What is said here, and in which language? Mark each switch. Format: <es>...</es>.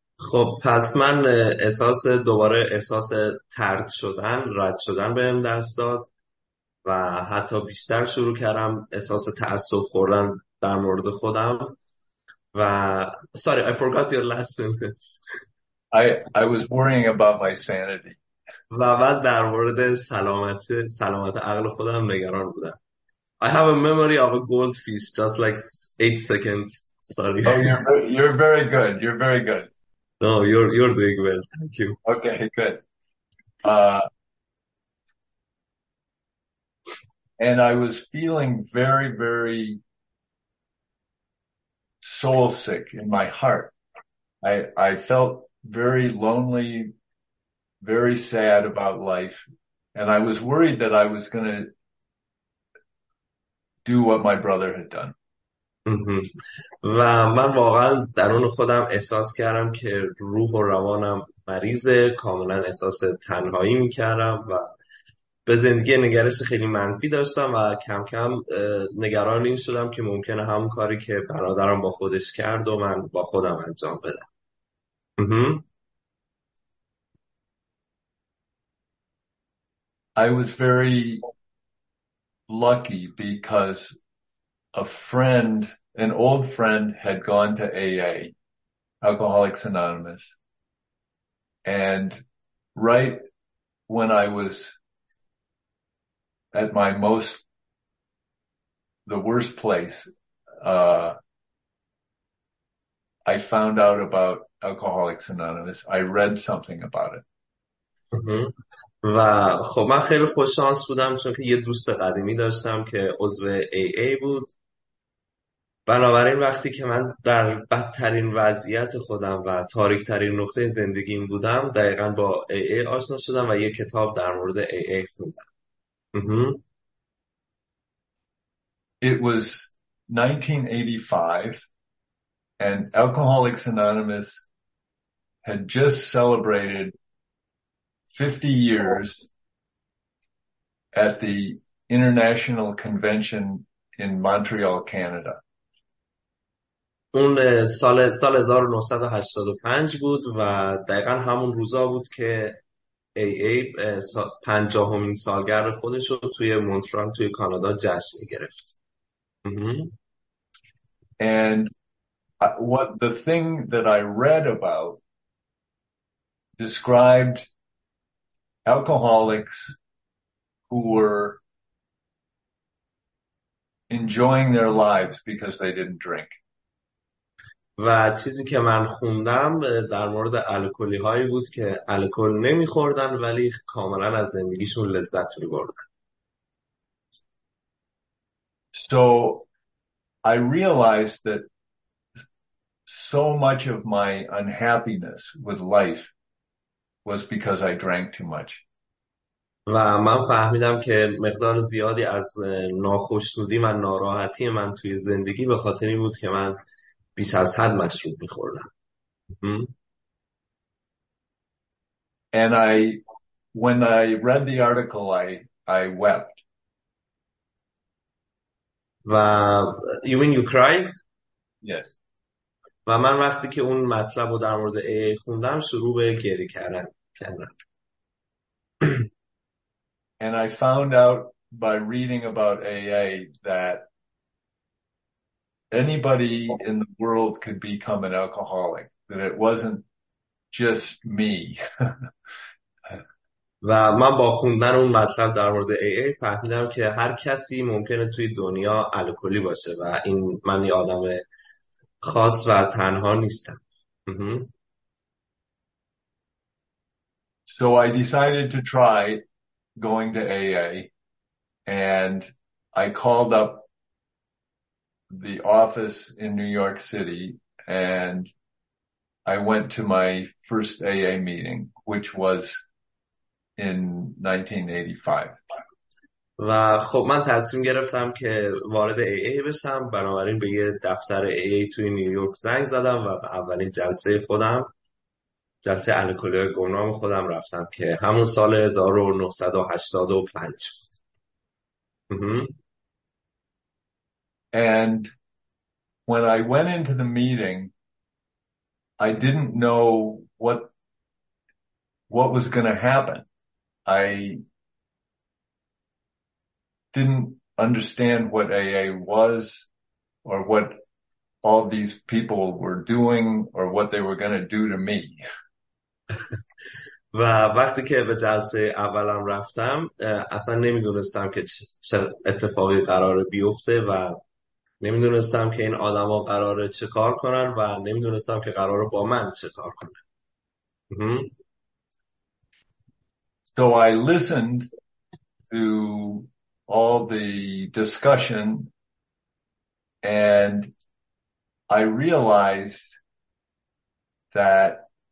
<fa>خب پس من احساس دوباره احساس طرد شدن، رد شدن بهم دست داد و حتی بیشتر شروع کردم احساس تأسف خوردن در مورد خودم و</fa> <en>sorry I forgot your last sentence. I was worrying about my sanity.</en> <fa>و بعد در مورد سلامت عقل خودم نگران بودم.</fa> <en>I have a memory of a goldfish just like 8 seconds. Sorry. Oh, you're very good. You're very good. No, you're doing well. Thank you. Okay, good. And I was feeling very, very soul sick in my heart. I felt very lonely, very sad about life. And I was worried that I was going to do what my brother had done.</en> <fa>و من واقعا درون خودم احساس کردم که روح و روانم مریضه، کاملا احساس تنهایی میکردم و به زندگی نگرش خیلی منفی داشتم و کم کم نگران این شدم که ممکنه همون کاری که برادرم با خودش کرد و من با خودم انجام بدم.</fa> <en>I was very lucky because a friend, an old friend, had gone to AA, Alcoholics Anonymous. And right when I was at my most, the worst place, I found out about Alcoholics Anonymous. I read something about it.</en> <fa>و خب من خیلی خوش شانس بودم چون که یه دوست قدیمی داشتم که عضو AA بود. بنابراین وقتی که من در بدترین وضعیت خودم و تاریکترین نقطه زندگیم بودم، دقیقا با AA آشنا شدم و یه کتاب در مورد AA خوندم.</fa> <en>It was 1985 and Alcoholics Anonymous had just celebrated 50 years at the International Convention in Montreal, Canada.</en> <fa>اون سال 1985 بود و دقیقا همون روزا بود که AA 50th سالگرد خودش رو توی مونترال توی کانادا جشن گرفت.</fa> <en>And what the thing that I read about described alcoholics who were enjoying their lives because they didn't drink.</en> <fa>و چیزی که من خوندم در مورد الکلی هایی بود که الکل نمی خوردن ولی کاملا از زندگیشون لذت می بردن.</fa> <en>So I realized that so much of my unhappiness with life was because I drank too much.</en> <fa>و من فهمیدم که مقدار زیادی از ناخوشنودی و ناراحتی من توی زندگی به خاطر این بود که من بیش از حد مشروب می‌خوردم.</fa> <en>And I, when I read the article, I wept.</en> <fa>و</fa> <en>you mean you cried? Yes.</en> <fa>و من وقتی که اون مطلب رو در مورد AA خوندم شروع به گریه کردم.</fa> <en>And I found out by reading about AA that anybody in the world could become an alcoholic, that it wasn't just me.</en> <fa>و من با خوندن اون مطلب در مورد AA فهمیدم که هر کسی ممکنه توی دنیا الکلی باشه و این من یه آدم خاص و تنها نیستم.</fa> <en>So I decided to try going to AA, and I called up the office in New York City, and I went to my first AA meeting, which was in 1985.</en> <fa>و خب من تصمیم گرفتم که وارد AA بشم، بنابراین به یه دفتر AA توی نیویورک زنگ زدم و به اولین جلسه خودم، جلسه الکلی گمنام خودم رفتم که همون سال 1985 بود.</fa> <en>And when I went into the meeting, I didn't know what was going to happen. I didn't understand what AA was or what all these people were doing or what they were going to do to me.</en> <fa>و وقتی که به جلسه اولم رفتم اصلا نمیدونستم که چه اتفاقی قراره بیفته و نمیدونستم که این آدما قراره چه کار کنن و نمیدونستم که قراره با من چه کار کنن.</fa> <en>So I listened to all the discussion and I realized that</en>